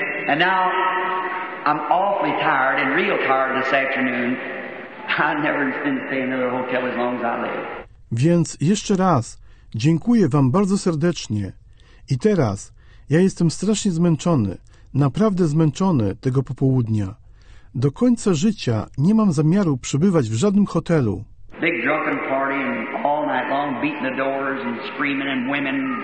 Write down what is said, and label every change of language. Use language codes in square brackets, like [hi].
[en] And now, I'm awfully tired and real tired this afternoon. I never intend to stay in another hotel as long as I live. [pl] Więc jeszcze raz dziękuję wam bardzo serdecznie. I teraz ja jestem strasznie zmęczony, naprawdę zmęczony tego popołudnia. Do końca życia nie mam zamiaru przebywać w żadnym hotelu. [en] Big drunken party and all night long beating the doors and screaming and women.